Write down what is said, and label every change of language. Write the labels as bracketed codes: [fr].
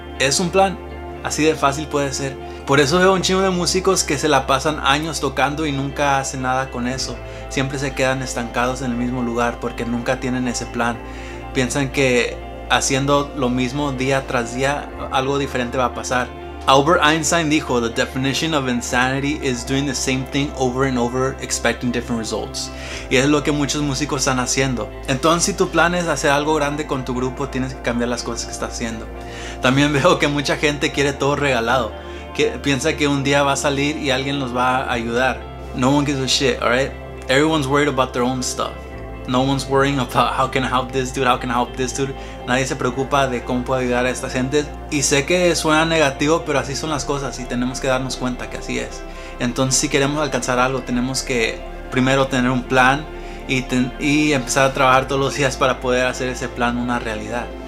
[es] Es un plan, así de fácil puede ser. Por eso veo un chingo de músicos que se la pasan años tocando y nunca hacen nada con eso. Siempre se quedan estancados en el mismo lugar porque nunca tienen ese plan. Piensan que haciendo lo mismo día tras día algo diferente va a pasar. [en] Albert Einstein dijo, "The definition of insanity is doing the same thing over and over, expecting different results." [es] Y es lo que muchos músicos están haciendo. Entonces, si tu plan es hacer algo grande con tu grupo, tienes que cambiar las cosas que estás haciendo. También veo que mucha gente quiere todo regalado. Que piensa que un día va a salir y alguien los va a ayudar. [en] No one gives a shit, alright? Everyone's worried about their own stuff. No one's worrying about how can I help this dude, how can I help this dude. [es] Nadie se preocupa de cómo puedo ayudar a esta gente. Y sé que suena negativo, pero así son las cosas y tenemos que darnos cuenta que así es. Entonces, si queremos alcanzar algo, tenemos que primero tener un plan y empezar a trabajar todos los días para poder hacer ese plan una realidad.